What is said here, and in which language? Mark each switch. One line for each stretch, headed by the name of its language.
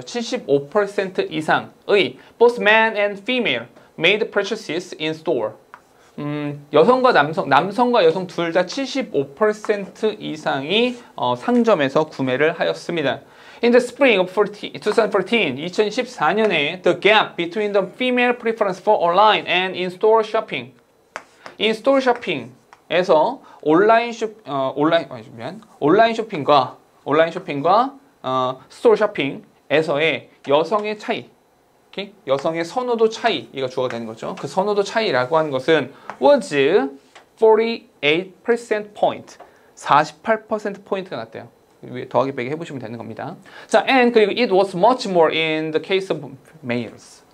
English: 75%
Korean: 이상의
English: both men and female made purchases in store.
Korean: 여성과 남성, 남성과 여성 둘 다 75% 이상이 상점에서 구매를 하였습니다.
English: In the spring of 2014년에 the gap between the female preference for online and in-store shopping.
Korean: In-store shopping에서 온라인 쇼핑과 스토어 쇼핑에서의 여성의 차이. Okay? 여성의 선호도 차이가 주어가 되는 거죠. 그 선호도 차이라고 하는 것은
English: was 48% point.
Korean: 48% 포인트가 났대요. 위에 더하기 빼기 해보시면 되는 겁니다.
English: 자, and
Korean: 그리고
English: it was much more in the case of males.